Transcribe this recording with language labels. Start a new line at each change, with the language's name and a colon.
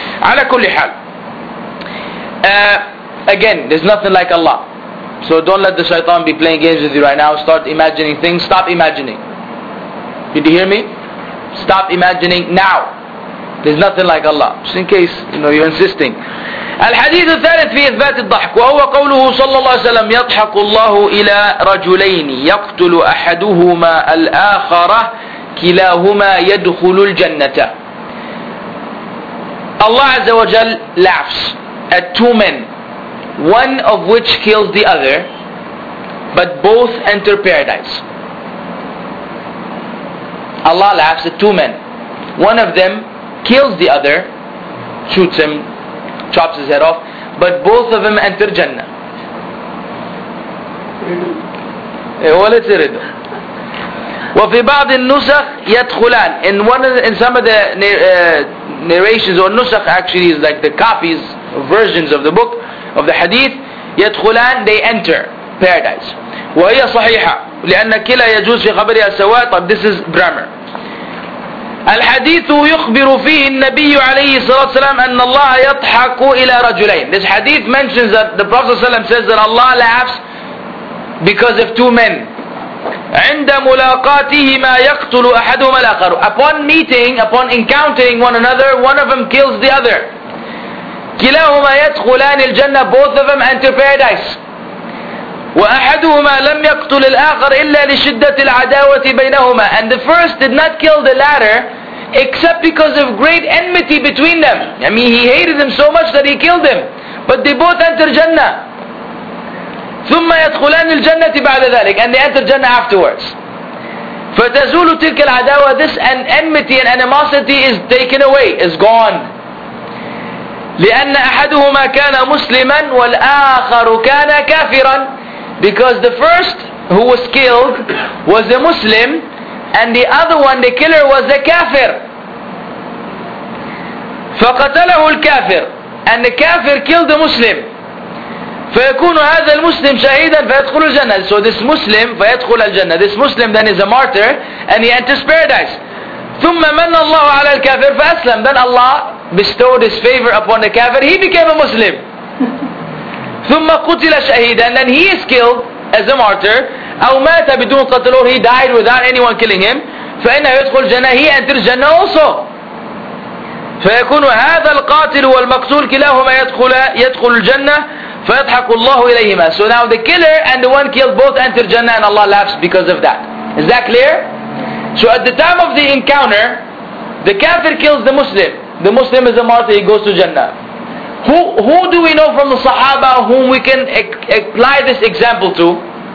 English: Ala kulli hal. Again, there's nothing like Allah. So don't let the shaitan be playing games with you right now. Start imagining things. Stop imagining. Did you hear me? Stop imagining now. There's nothing like Allah. Just in case, you know, you're insisting.
Arabic: الحديث الثالث في إثبات الضحك وهو قوله صلى الله عليه وسلم يضحك الله إلى رجلين يقتل أحدهما الآخر كلاهما يدخل الجنة.
English: الله عز وجل laughs at two men, one of which kills the other, but both enter paradise. Allah laughs at two men. One of them kills the other, shoots him, chops his head off, but both of them enter Jannah. Well, it's a riddle.
Arabic: وفي بعض النسخ يدخلان.
English: In some of the narrations, or nusakh actually is like the copies, versions of the book, of the hadith, يدخلان, they enter paradise.
Arabic: وهي صحيحة لأن كلا يجوز في خبرها سواء.
English: طب this is grammar.
Arabic: الحديث يخبر فيه النبي عليه الصلاة والسلام أن الله يضحك إلى رجلين.
English: This hadith mentions that the Prophet ﷺ says that Allah laughs because of two men.
Arabic: عند ملاقاتهما يقتل أحدهما الآخر.
English: Upon meeting, upon encountering one another, one of them kills the other.
Arabic: كلاهما يدخلان الجنة,
English: both of them enter paradise.
Arabic: وأحدهما لم يقتل الآخر إلا لشدة العداوة بينهما.
English: And the first did not kill the latter except because of great enmity between them. I mean, he hated them so much that he killed them. But they both enter Jannah.
Arabic: ثم يدخلان الجنة بعد ذلك.
English: And they enter Jannah afterwards.
Arabic: فتزول تلك العداوة.
English: This enmity and animosity is taken away, is gone.
Arabic: لأن أحدهما كان مسلما والآخر كان كافرا.
English: Because the first who was killed was a Muslim, and the other one, the killer, was a kafir.
Arabic: فقتله الكافر.
English: And the kafir killed the Muslim.
Arabic: فيكون هذا المسلم شهيدا فيدخل الجنة.
English: So this Muslim
Arabic: فيدخل الجنة.
English: This Muslim then is a martyr and he enters paradise.
Arabic: ثم من الله على الكافر فأسلم.
English: Then Allah bestowed his favor upon the kafir. He became a Muslim.
Arabic: ثم قتل شهيدا.
English: Then he is killed as a martyr.
Arabic: أو مات بدون قتل.
English: He died without anyone killing him.
Arabic: فإنه يدخل الجنة.
English: He enters الجنة also.
Arabic: فيكون هذا القاتل والمقتول كلاهما يدخل الجنة فيضحك الله إليهما.
English: So now the killer and the one killed both enter Jannah and Allah laughs because of that. Is that clear? So at the time of the encounter, the kafir kills the Muslim. The Muslim is a martyr. He goes to Jannah. Who do we know from the Sahaba whom we can apply this example to?